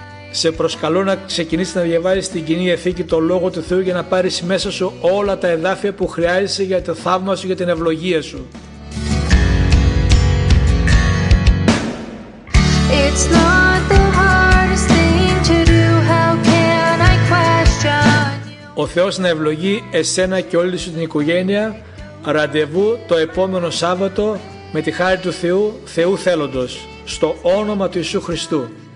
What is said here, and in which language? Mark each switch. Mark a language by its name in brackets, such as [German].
[Greek] Σε προσκαλώ να ξεκινήσεις να διαβάζεις την Κοινή Διαθήκη, το Λόγο του Θεού, για να πάρεις μέσα σου όλα τα εδάφια που χρειάζεσαι για το θαύμα σου, για την ευλογία σου. [English] It's not the hardest thing to do. How can I question you? [Greek] Ο Θεός να ευλογεί εσένα και όλη σου την οικογένεια. Ραντεβού το επόμενο Σάββατο με τη χάρη του Θεού, Θεού θέλοντος, στο όνομα του Ιησού Χριστού.